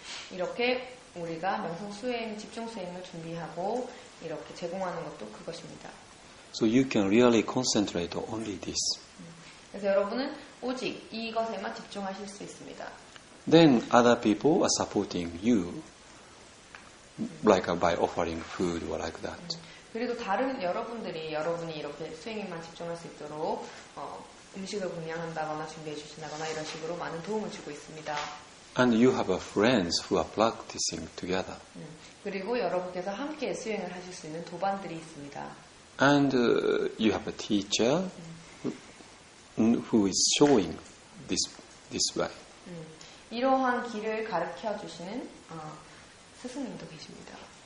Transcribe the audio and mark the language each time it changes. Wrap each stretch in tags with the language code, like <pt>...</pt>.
<ko>이렇게 우리가 명상 수행, 집중 수행을 준비하고 이렇게 제공하는 것도 그것입니다.</ko> <en>So you can really concentrate only this.</en> <ko>그래서 여러분은 오직 이것에만 집중하실 수 있습니다.</ko> <en>Then other people are supporting you, like by offering food or like that.</en> <ko>그리고 다른 여러분이 이렇게 수행에만 집중할 수 있도록 음식을 분양한다거나 준비해 주신다거나 이런 식으로 많은 도움을 주고 있습니다.</ko> <en>And you have a friends who are practicing together.</en> <ko>그리고 여러분께서 함께 수행을 하실 수 있는 도반들이 있습니다.</ko> <en>And you have a teacher who is showing this way.</en> <ko>이러한 길을 가르쳐 주시는 스승님도 계십니다.</ko>